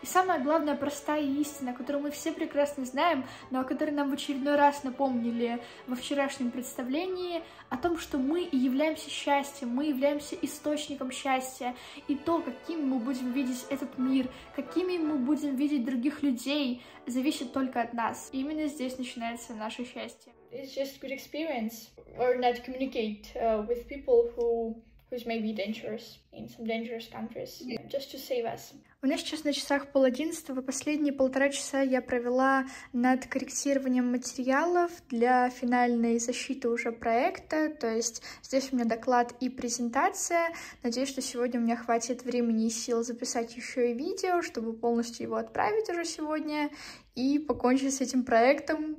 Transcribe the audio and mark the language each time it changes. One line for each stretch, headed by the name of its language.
Russian: И самая главная простая истина, которую мы все прекрасно знаем, но о которой нам в очередной раз напомнили во вчерашнем представлении, о том, что мы и являемся счастьем, мы являемся источником счастья. И то, каким мы будем видеть этот мир, какими мы будем видеть других людей, зависит только от нас. И именно здесь начинается наше счастье.
English: It's just good experience, or not communicate with people who's maybe dangerous in some dangerous countries, yeah. Just to save us.
Russian: У меня сейчас на часах 10:30, последние 1.5 часа я провела над корректированием материалов для финальной защиты уже проекта, то есть здесь у меня доклад и презентация. Надеюсь, что сегодня у меня хватит времени и сил записать еще и видео, чтобы полностью его отправить уже сегодня и покончить с этим проектом.